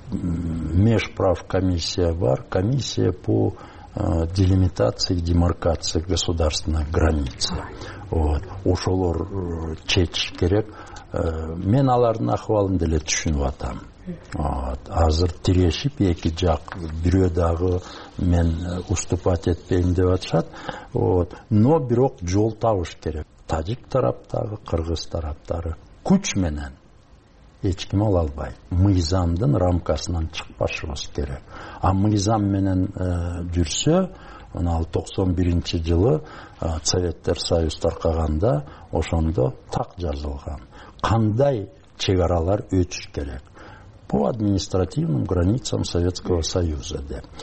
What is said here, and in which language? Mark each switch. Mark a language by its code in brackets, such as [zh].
[ru] Межправ комиссия бар, комиссия по делимитации, демаркации государственных границ. [ky] Вот. Ошолор чечиш керек. Мен алардын акыбалын деле түшүнүп атам. Вот. Азыр тирешип эки жак бирөө дагы мен уступать этпейм деп атышат. Вот. Но бирок жол табыш керек. Тажик тараптагы, кыргыз тараптары күч менен эч ким ала албайт. Мыйзамдын рамкасынан чыкпашыбыз керек. А мыйзам менен жүрсө, 1991 жылы Советтер Союз таркаганда ошондо так жазылган. Кандай чек аралар өтүш керек? [ru] По административным границам Советского Союза деп.